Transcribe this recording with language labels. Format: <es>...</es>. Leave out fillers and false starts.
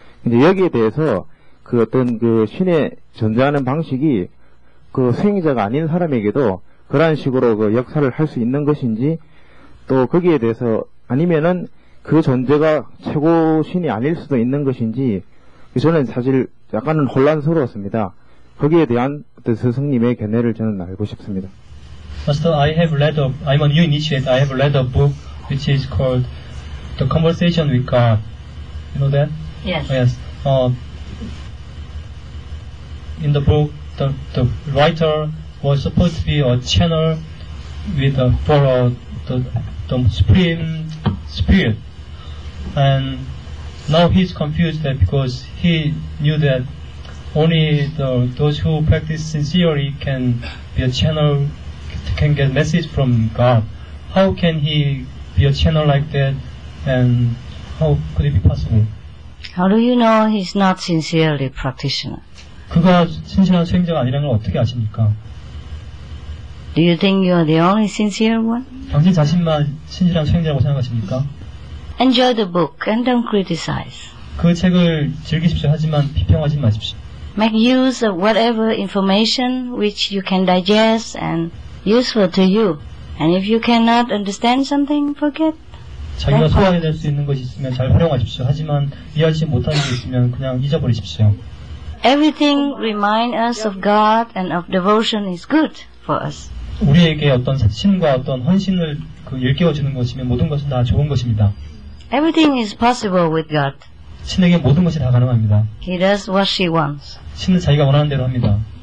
<ko>이제 여기에 대해서 그 어떤 그 신의 존재하는 방식이 그 수행자가 아닌 사람에게도 그러한 식으로 그 역사를 할 수 있는 것인지 또 거기에 대해서 아니면은 그 존재가 최고 신이 아닐 수도 있는 것인지 저는 사실 약간은 혼란스러웠습니다. 거기에 대한 어떤 스승님의 견해를 저는 알고 싶습니다.</ko> <en>Master, I'm a new initiate. I have read a book which is called The Conversation with God. You know that? Yes. Oh, yes. In the book, the writer was supposed to be a channel for the Supreme Spirit. And now he's confused that because he knew that only those who practice sincerely can be a channel can get message from God. How can he be a channel like that, and how could it be possible? How do you know he's not sincerely practitioner?</en> <ko>그가 진실한 수행자가 아니라는 걸 어떻게 아십니까?</ko> <en>Do you think you're the only sincere one?</en> <ko>당신 자신만 진실한 수행자라고 생각하십니까?</ko> <en>Enjoy the book and don't criticize.</en> <ko>그 책을 즐기십시오. 하지만 비평하지 마십시오.</ko> <en>Make use of whatever information which you can digest and useful to you, and if you cannot understand something, forget.</en> <ko>자기가 소화해낼 수 있는 것이 있으면 잘 활용하십시오. 하지만 이해하지 못하는 게 있으면 그냥 잊어버리십시오.</ko> <en>Everything remind us of God and of devotion is good for us.</en> <ko>우리에게 어떤 신과 어떤 헌신을 그 일깨워주는 것이면 모든 것은 다 좋은 것입니다.</ko> <en>Everything is possible with God.</en> <ko>신에게 모든 것이 다 가능합니다.</ko> <en>He does what she wants.</en> <ko>신은 자기가 원하는 대로 합니다.</ko>